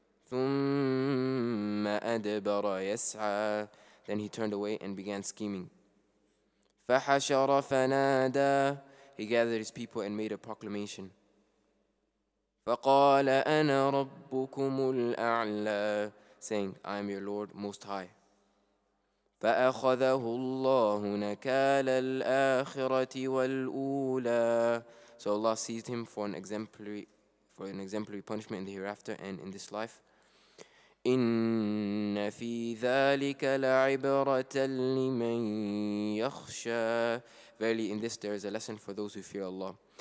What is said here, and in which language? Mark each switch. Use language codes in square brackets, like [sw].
[ar] ثم أدبر يسعى. [en] Then he turned away and began scheming. [ar] فحشر فنادى. [en] He gathered his people and made a proclamation. [ar] فقال أنا ربكم الأعلى. [en] Saying, I am your Lord, Most High. [ar] فأخذه الله نكال الآخرة والأولى. [en] So Allah seized him for an exemplary punishment in the hereafter and in this life. [ar] إن في ذلك لعبرة لمن يخشى. [en] Verily, in this there is a lesson for those who fear Allah.